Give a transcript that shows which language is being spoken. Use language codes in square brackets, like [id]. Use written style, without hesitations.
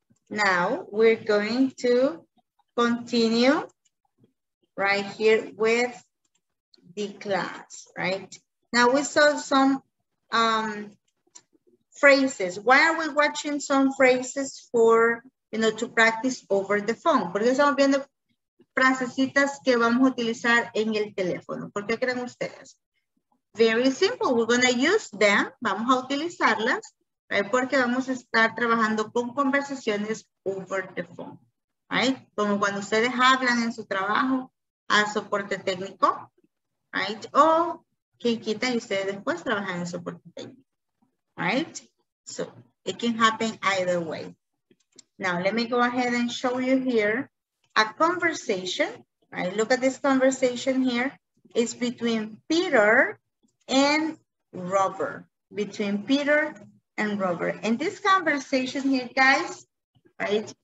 [en] Now we're going to continue right here with the class, right? Now we saw some phrases. Why are we watching some phrases for, you know, to practice over the phone? [es] Porque estamos viendo frasecitas que vamos a utilizar en el teléfono. ¿Por qué creen ustedes? [en] Very simple, we're gonna use them, [es] vamos a utilizarlas, right? Porque vamos a estar trabajando con conversaciones [en] over the phone, [es] right? Como cuando ustedes hablan en su trabajo al soporte técnico, right? O que quita y ustedes después trabajan en soporte técnico, right? [en] So it can happen either way. Now let me go ahead and show you here a conversation, right? Look at this conversation here. It's between Peter and Robert. Between Peter and Robert. And this conversation here, guys, right?